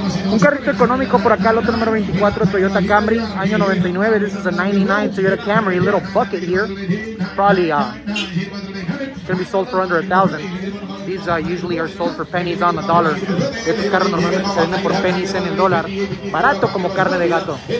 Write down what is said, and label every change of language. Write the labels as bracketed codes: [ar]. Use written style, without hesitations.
[es] Un carrito económico por acá, el otro número 24, Toyota Camry, año 99. [en] This is a 99 Toyota Camry, a little bucket here. Probably gonna be sold for under $1,000. These usually are sold for pennies on the dollar. [es] Estos carros normalmente se venden por pennies en el dólar. Barato como carne de gato.